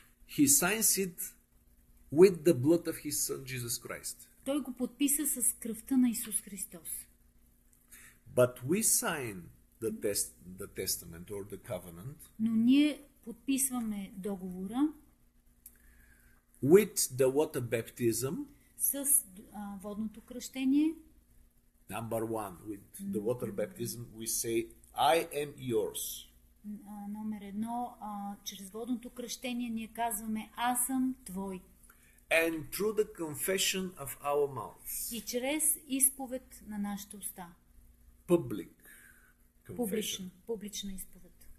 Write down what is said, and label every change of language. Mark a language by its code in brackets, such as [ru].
[en] He signs it with the blood of his son Jesus Christ. [bg] Той го подписа с кръвта на Исус Христос. [en] But we sign the testament or the covenant. [bg] Но ние подписваме договора. [en] With the water baptism. [bg] С водното кръщение. [en] Number one, with the water baptism we say I am yours. [bg] Номер едно, чрез водното кръщение ние казваме аз съм твой. [en] And through the confession of our mouths. [bg] И чрез изповед на нашите уста. [en] Public confession. [bg] Публична изповед.